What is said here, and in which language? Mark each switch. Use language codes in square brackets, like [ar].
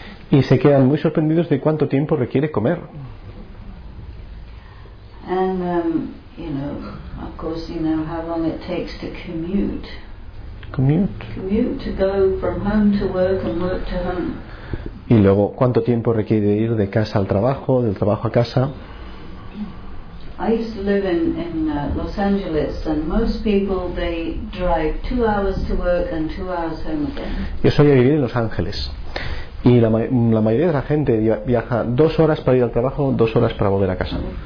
[es] Y se quedan muy sorprendidos de cuánto tiempo requiere comer. [en] And you know, of course, you know how long it takes to commute. Commute to go from home to work and work to home. [es] Y luego, ¿cuánto tiempo requiere ir de casa al trabajo, del trabajo a casa? [en] I used to live in Los Angeles, and most people they drive 2 hours to work and 2 hours home again. [es] Yo solía vivir en Los Ángeles, y la mayoría de la gente viaja 2 horas para ir al trabajo, 2 horas para volver a casa.